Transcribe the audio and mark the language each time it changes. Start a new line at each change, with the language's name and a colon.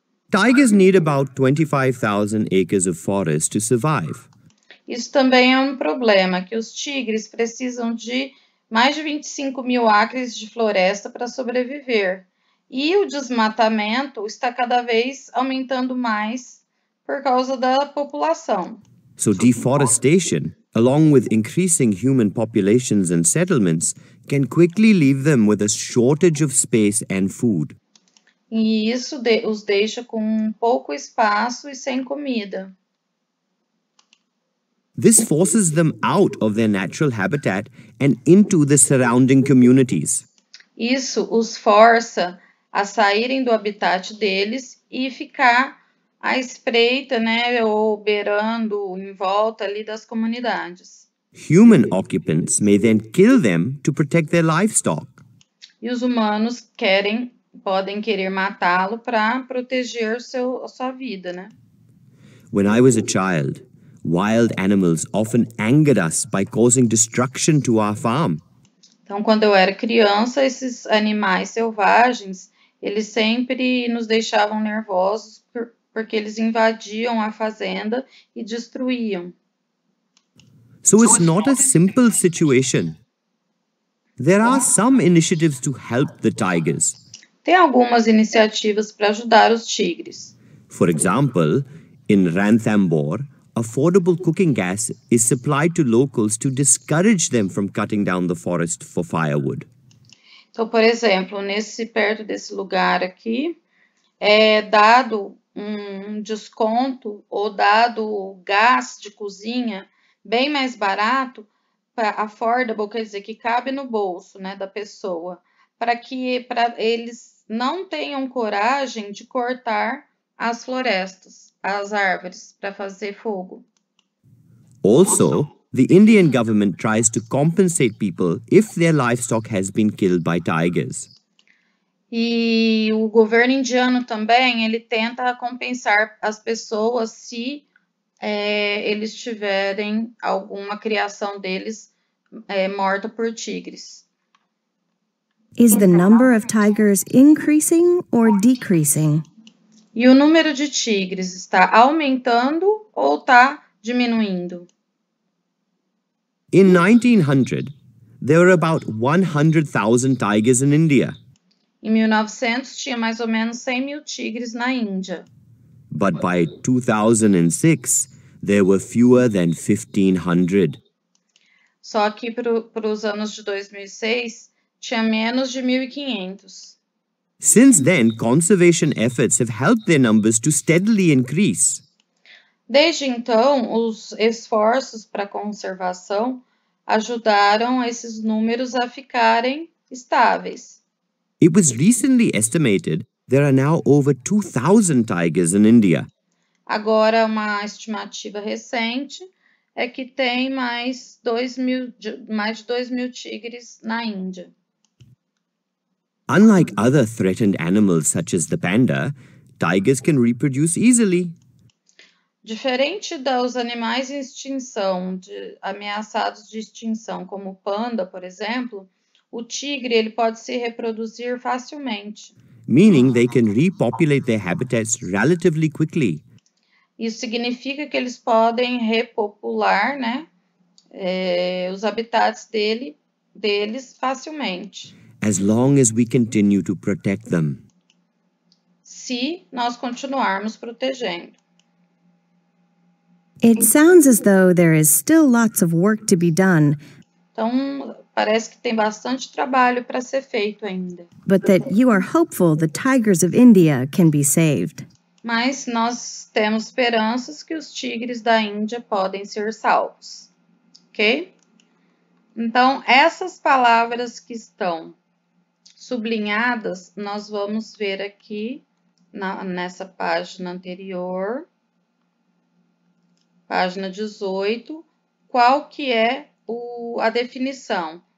English: Tigers need about 25,000 acres of forest to survive.
Portuguese: Isso também é um problema, que os tigres precisam de mais de 25 mil acres de floresta para sobreviver. E o desmatamento está cada vez aumentando mais por causa da população.
English: So deforestation, along with increasing human populations and settlements, can quickly leave them with a shortage of space and food.
Portuguese: E isso os deixa com pouco espaço e sem comida.
English: This forces them out of their natural habitat and into the surrounding communities.
Portuguese: Isso os força a saírem do habitat deles e ficar à espreita, né, ou beirando em volta ali das comunidades.
English: Human occupants may then kill them to protect their livestock.
Portuguese: E os humanos podem querer matá-lo para proteger sua vida, né?
English: When I was a child, wild animals often angered us by causing destruction to our farm.
Portuguese: Então, quando eu era criança, esses animais selvagens, eles sempre nos deixavam nervosos porque eles invadiam a fazenda e destruíam.
English: So it's not a simple situation. There are some initiatives to help the tigers.
Portuguese: Tem algumas iniciativas para ajudar os tigres.
English: For example, in Ranthambore, affordable cooking gas is supplied to locals to discourage them from cutting down the forest for firewood.
Portuguese: Então, por exemplo, perto desse lugar aqui, é dado desconto ou dado gás de cozinha bem mais barato para affordable, quer dizer, que cabe no bolso, né, da pessoa, para eles não tenham coragem de cortar as florestas, as árvores, para fazer fogo.
English: Also, the Indian government tries to compensate people if their livestock has been killed by tigers.
Portuguese: E o governo indiano também, ele tenta compensar as pessoas se eles tiverem alguma criação deles morta por tigres.
English: Is the number of tigers increasing or decreasing?
Portuguese: E o número de tigres está aumentando ou está diminuindo?
English: In 1900, there were about 100,000 tigers in India.
Portuguese: Em 1900, tinha mais ou menos 100 mil tigres na Índia.
English: But by 2006, there were fewer than 1,500.
Portuguese: Só que para os anos de 2006, tinha menos de 1,500.
English: Since then, conservation efforts have helped their numbers to steadily increase.
Portuguese: Desde então, os esforços para conservação ajudaram esses números a ficarem estáveis.
English: It was recently estimated there are now over 2,000 tigers in India.
Portuguese: Agora, uma estimativa recente é que tem mais de 2 mil tigres na Índia.
English: Unlike other threatened animals such as the panda, tigers can reproduce easily.
Portuguese: Diferente dos animais em extinção, ameaçados de extinção, como o panda, por exemplo, o tigre ele pode se reproduzir facilmente.
English: Meaning they can repopulate their habitats relatively quickly.
Portuguese: Isso significa que eles podem repopular, né, os habitats deles facilmente.
English: As long as we continue to protect them.
Portuguese: Se nós continuarmos protegendo.
English: It sounds as though there is still lots of work to be done.
Portuguese: Então, parece que tem bastante trabalho para ser feito ainda.
English: But that you are hopeful the tigers of India can be saved.
Portuguese: Mas nós temos esperanças que os tigres da Índia podem ser salvos. Ok? Então, essas palavras que estão sublinhadas, nós vamos ver aqui nessa página anterior, página 18, qual que é a definição.